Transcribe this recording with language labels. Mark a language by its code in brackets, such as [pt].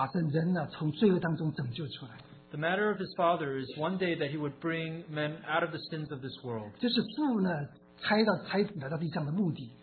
[zh] 他天父的事就是为有一天呢，那个要把人呢从罪恶当中拯救出来。 [en] The matter of his father is one day that he would bring men out of the sins of this world. [zh] 这是父呢差到孩子来到地上的目的。